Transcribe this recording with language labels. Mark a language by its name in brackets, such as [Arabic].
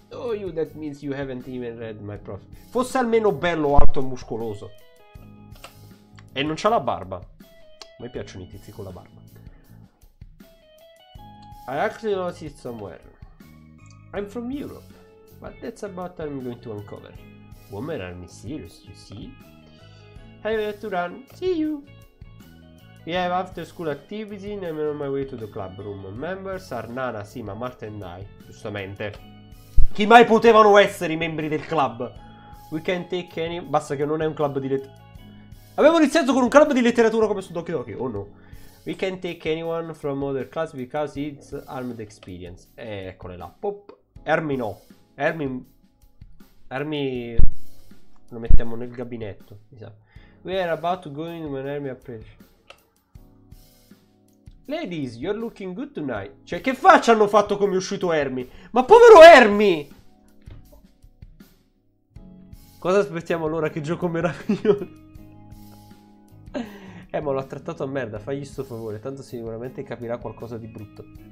[English] Oh, you, that means you haven't even read my profile. [Italian] Fosse almeno bello, alto e muscoloso. E non c'ha la barba. A me piacciono i tizi con la barba. [English] I actually lost it somewhere. I'm from Europe, but that's about what I'm going to uncover. Women are mysterious, you see. I have to run. See you. We have after school activities and I'm on my way to the club room. Members are Nana, Sima, Marta and I. [Italian] Giustamente. Chi mai potevano essere i membri del club? [English] We can take any... [Italian] Basta che non è un club di letteratura. Abbiamo iniziato con un club di letteratura come su Doki Doki, oh no. [English] We can take anyone from other class because it's armed experience. [Italian] Eccole là. Pop. Hermi no. Hermi lo mettiamo nel gabinetto, mi sa. [English] We are about to go in when Hermi approaches. Ladies, you're looking good tonight. [Italian] Cioè, che faccia hanno fatto come è uscito Hermi? Ma povero Hermi! Cosa aspettiamo allora? Che gioco meraviglioso. ma l'ha trattato a merda, fagli sto favore, tanto sicuramente capirà qualcosa di brutto.